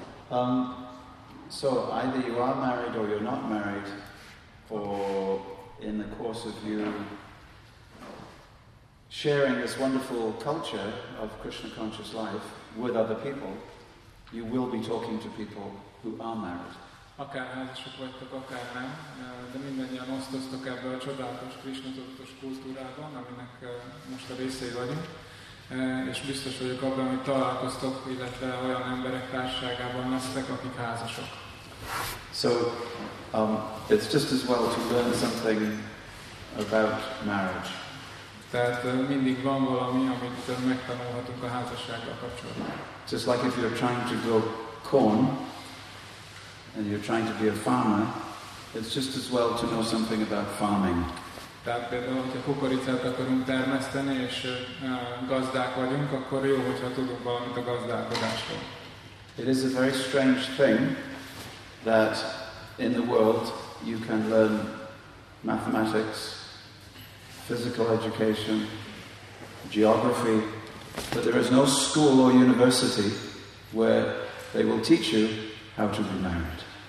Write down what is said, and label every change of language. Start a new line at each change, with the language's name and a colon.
English: So either you are married or you're not married, or in the course of you sharing this wonderful culture of Krishna conscious life with other people, you will be talking to people who are married.
Hungarian: Akár házasok vagytok, akár nem, de mindannyian osztoztok ebből a csodálatos, krisna-tudatos kultúrában, aminek most a részei vagyunk, és biztos vagyok abban, hogy találkoztok, illetve olyan emberek társaságában lesztek, akik házasok.
English: So, it's just as well to learn something about marriage.
Hungarian: Tehát mindig van valami, amit megtanulhatunk a házassággal kapcsolatban.
English: Just like if you're trying to grow corn, and you're trying to be a farmer, it's just as well to know something about farming.
Hungarian: Tehát például, hogyha kukoricát akarunk termeszteni, és gazdák vagyunk, akkor jó, hogyha tudunk valamit a gazdálkodásról.
English: It is a very strange thing that in the world you can learn mathematics, physical education, geography, but there is no school or university where they will teach you how to be married.